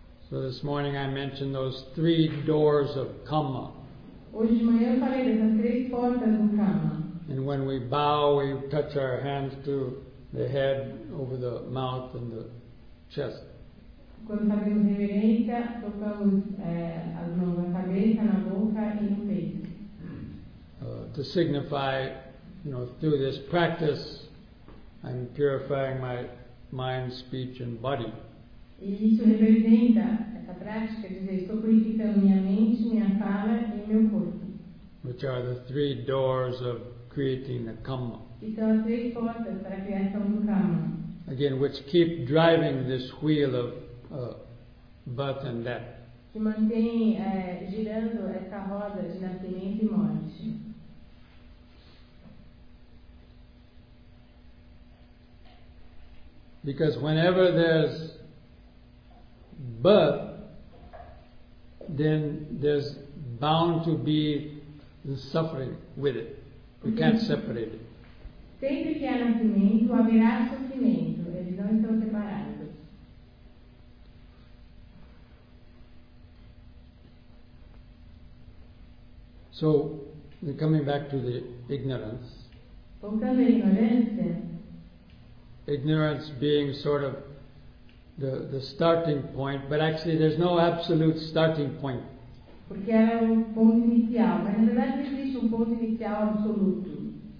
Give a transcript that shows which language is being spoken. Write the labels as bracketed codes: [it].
[en] So this morning I mentioned those three doors of kamma. [pt] Hoje de manhã eu falei dessas três portas do kamma. [en] And when we bow, we touch our hands to the head, over the mouth and the chest. [pt] Quando fazemos reverência, tocamos as mãos na cabeça, na boca e no peito. [en] To signify, you know, through this practice, I'm purifying my mind, speech and body. [pt] E isso representa, essa prática, dizer, estou purificando minha mente, minha fala e meu corpo. [en] Which are the three doors of creating the kamma. [pt] Então, as três portas para a criação do kamma. [en] Again, which keep driving this wheel of birth and death. [pt] Que mantém girando essa roda de nascimento e morte. [en] Because whenever there's birth, then there's bound to be the suffering with it. We can't separate it. [pt] Sempre que há nascimento, haverá sofrimento. Eles não estão separados. [en] So, coming back to the ignorance. [pt] Voltando à ignorância. [en] Ignorance being sort of the starting point, but actually there's no absolute starting point. [pt] Porque é um ponto inicial, mas na verdade existe um ponto inicial absoluto.